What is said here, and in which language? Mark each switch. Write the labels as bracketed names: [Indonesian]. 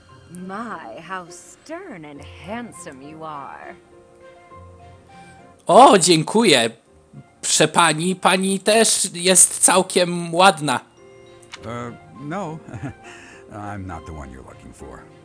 [English] My, how stern and handsome you are. [Polish] O, dziękuję. Przepani, pani też jest całkiem ładna. [English] No. I'm not the one you're looking for.